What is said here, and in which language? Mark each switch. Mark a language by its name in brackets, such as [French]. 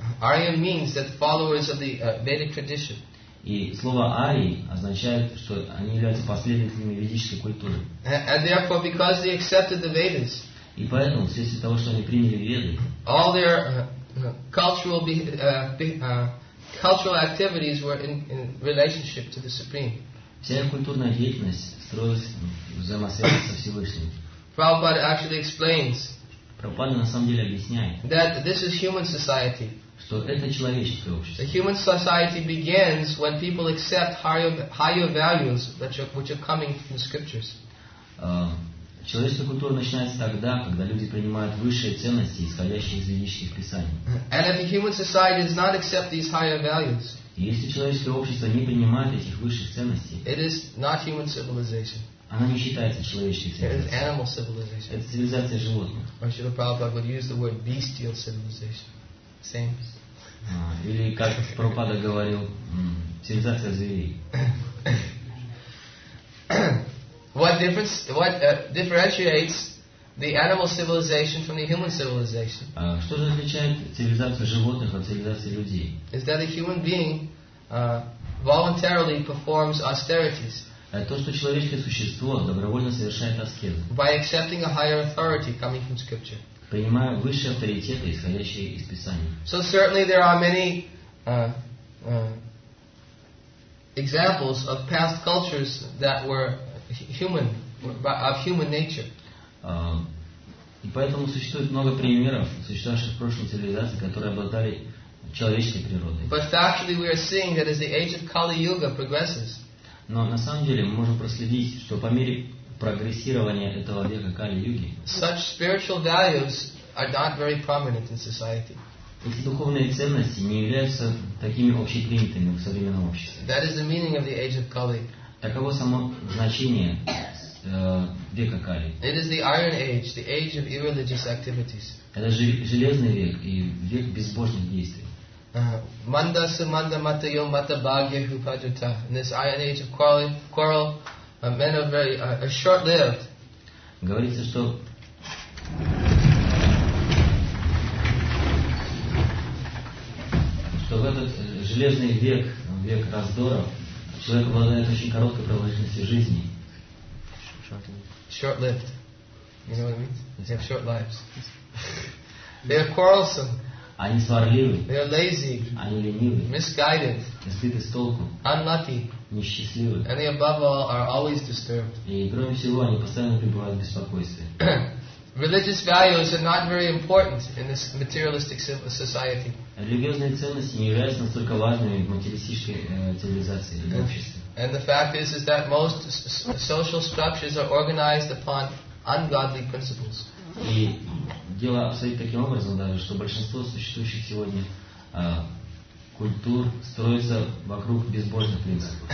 [English] Aryan means that followers of the Vedic tradition. [Russian] И слово арий означает, что они являются последователями ведической культуры. [English] And therefore, because they accepted the Vedas. [Russian] И поэтому, вследствие того, что они приняли Веды, [English] all their cultural activities were in relationship to the Supreme. [Russian] Вся их культурная деятельность строилась взаимосвязи со Всевышним. [English] Prabhupada actually explains. [Russian] Прабхупада на самом деле объясняет, [English] that this is human society. [Russian] Что это человеческое общество. [English] The human society begins when people accept higher values which are coming from the scriptures. [Russian] Человеческая культура начинается тогда, когда люди принимают высшие ценности, исходящие из ведических писаний. [English] And if the human society does not accept these higher values, [Russian] если человеческое общество не принимает этих высших ценностей, [English] it is not human civilization. [Russian] Она не считается человеческой цивилизацией. [English] It is animal civilization. [Russian] Это цивилизация животных. [English] Or Srila Prabhupada would use the word bestial civilization. Same. [Russian] Или как Прабхупада говорил, цивилизация зверей. [English] What differentiates the animal civilization from the human civilization? [Russian] Что же отличает цивилизацию животных от цивилизации людей? [English] Is that a human being voluntarily performs austerities? [Russian] То, что человеческое существо добровольно совершает аскезу. [English] By accepting a higher authority coming from scripture. [Russian] Принимая высшие авторитеты, исходящие из Писания. [English] So certainly there are many examples of past cultures that were human, of human nature. [Russian] И поэтому существует много примеров существовавших в прошлом цивилизаций, которые обладали человеческой природой. [English] But actually we are seeing that as the age of Kali Yuga progresses. [Russian] Но на самом деле мы можем проследить, что по мере прогрессирования этого века Кали-юги, [English] such spiritual values are not very prominent in society. [Russian] Эти духовные ценности не являются такими общепринятыми в современном обществе. [English] That is the meaning of the age of Kali. [Russian] Таково само значение века Кали. [English] It is the iron age, the age of irreligious activities. [Russian] Это железный век и век безбожных действий. [Sanskrit] Manda sumanda mata yo mata bhagya hupajata. [English] In this iron age of quarrel, men are very short lived. [Russian] Говорится, что в этот железный век, век раздоров, человек обладает очень короткой продолжительностью жизни. [English] Short lived. You know what it means? They have short lives. They are quarrelsome. [Russian] Они сварливы. [English] They are lazy. [Russian] Они ленивы. [English] Misguided. [Russian] Сбиты с толку. [English] Unlucky. [Russian] Несчастливы. [English] And they above all are always disturbed. [Russian] И кроме всего они постоянно пребывают в беспокойстве. [English] Religious values are not very important in this materialistic society. [Russian] Религиозные ценности не являются настолько важными в материалистической цивилизации или обществе. [English] And the fact is that most social structures are organized upon ungodly principles. [Russian] И дело обстоит таким образом даже, что большинство существующих сегодня культур строится вокруг безбожных принципов.